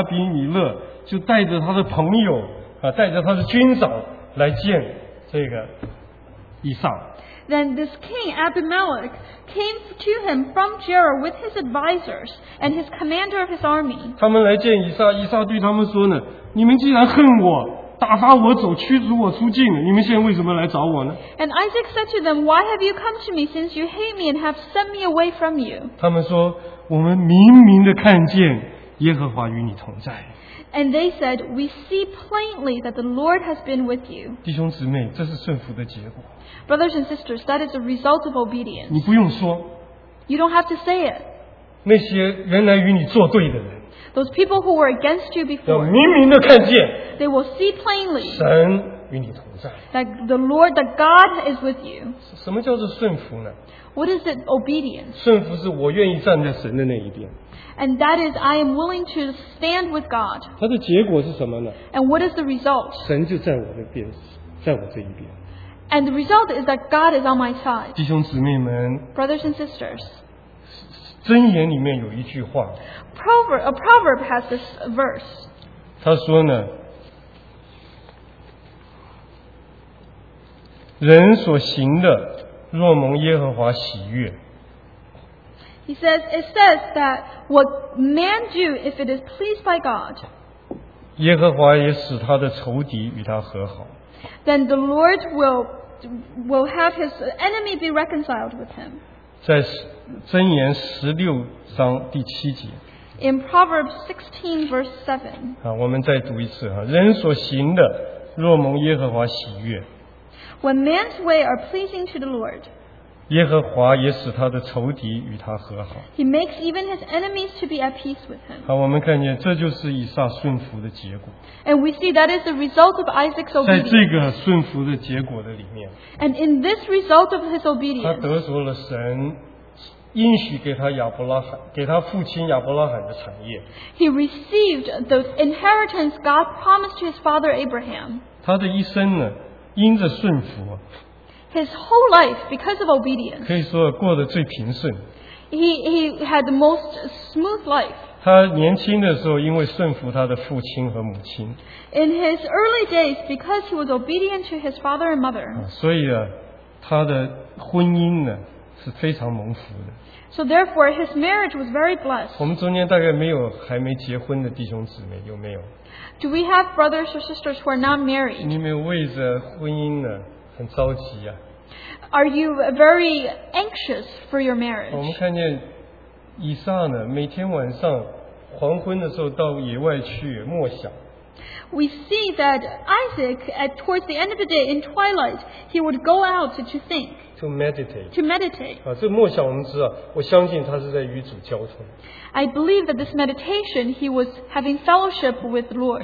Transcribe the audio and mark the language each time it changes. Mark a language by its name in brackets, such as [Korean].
[Chinese] 我们看见了这个腓力士的王亚比米勒就带着他的朋友, 带着他的军长来见这个以撒。 [English] Then this king Abimelech came to him from Gerar with his advisors and his commander of his army. [Chinese] 他们来见以撒, 以撒对他们说呢, 你们既然恨我, 打发我走, 驱逐我出境, 你们现在为什么来找我呢? [English] And Isaac said to them, "Why have you come to me since you hate me and have sent me away from you?" [Chinese] 他们说, 我们明明地看见耶和华与你同在。 [English] And they said, "We see plainly that the Lord has been with you." [Chinese] 弟兄姊妹, 这是顺服的结果。 [English] Brothers and sisters, that is a result of obedience. [Chinese] 你不用说, [English] you don't have to say it. [Chinese] 那些原来与你作对的人, [English] those people who were against you before, [Chinese] 要明明地看见, [English] they will see plainly. [Chinese] 神与你同在。 [English] That the Lord, that God is with you. [Chinese] 什么叫做顺服呢？ [English] What is it, obedience? [Chinese] 顺服是我愿意站在神的那一边。 [English] And that is, I am willing to stand with God. [Chinese] 它的结果是什么呢？ [English] And what is the result? [Chinese] 神就在我的边，在我这一边。 [English] And the result is that God is on my side. [Chinese] 弟兄姊妹们， [English] Brothers and sisters. [Chinese] 箴言里面有一句话。 [English] A proverb has this verse. [Chinese] 他说呢，人所行的若蒙耶和华喜悦。 [English] It says that what man do if it is pleased by God. [Chinese] 耶和华也使他的仇敌与他和好。 [English] Then the Lord will have his enemy be reconciled with him. [Chinese] 在箴言十六章第七节。 [English] In Proverbs 16 verse 7. [Chinese] 我们再读一次，人所行的若蒙耶和华喜悦。 [English] When man's way are pleasing to the Lord, [Chinese] 耶和华也使他的仇敌与他和好。 [English] He makes even his enemies to be at peace with him. [Chinese] 好，我们看见这就是以撒顺服的结果。 [English] And we see that is the result of Isaac's obedience. [Chinese] 在这个顺服的结果的里面。 [English] And in this result of his obedience, [Chinese] 他得着了神应许给他亚伯拉罕，给他父亲亚伯拉罕的产业。 [English] He received the inheritance God promised to his father Abraham. [Chinese] 他的一生呢？因着顺服， [English] his whole life because of obedience， [Chinese] 可以说过得最平顺。 [English] He had the most smooth life。 [Chinese] 他年轻的时候因为顺服他的父亲和母亲。 [English] In his early days, because he was obedient to his father and mother。 [Chinese] 所以啊，他的婚姻呢是非常蒙福的。 [English] So therefore, his marriage was very blessed。 [Chinese] 我们中间大概没有还没结婚的弟兄姊妹，有没有？ [English] Do we have brothers or sisters who are not married? [Chinese] 你们为着婚姻呢，很着急呀。 [English] Are you very anxious for your marriage? [Chinese] 我们看见以撒呢，每天晚上黄昏的时候到野外去默想。 [English] We see that Isaac, at towards the end of the day in twilight, he would go out to think. To meditate. To meditate. [Chinese] 这默想我们知道，我相信他是在与主交通。 [English] I believe that this meditation, he was having fellowship with the Lord.